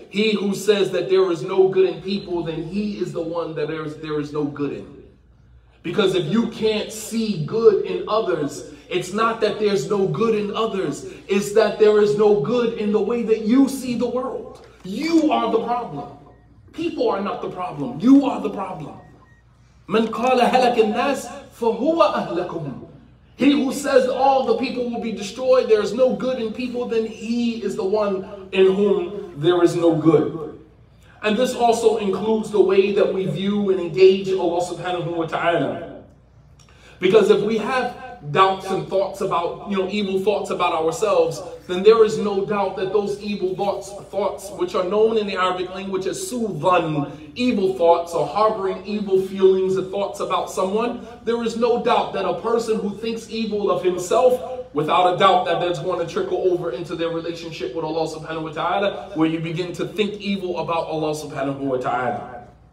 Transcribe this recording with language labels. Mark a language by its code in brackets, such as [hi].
[en] He who says that there is no good in people, then he is the one that there is no good in. Because if you can't see good in others, it's not that there's no good in others. It's that there is no good in the way that you see the world. You are the problem. People are not the problem. You are the problem. [ar] من قال هلك الناس فهو أهلكهم. [en] He who says all the people will be destroyed, there is no good in people, then he is the one in whom there is no good. And this also includes the way that we view and engage Allah subhanahu wa ta'ala. Because if we have doubts and thoughts about, you know, evil thoughts about ourselves, then there is no doubt that those evil thoughts, which are known in the Arabic language as suvan, evil thoughts, or harboring evil feelings and thoughts about someone, there is no doubt that a person who thinks evil of himself, without a doubt that that's going to trickle over into their relationship with Allah subhanahu wa ta'ala, where you begin to think evil about Allah subhanahu wa ta'ala.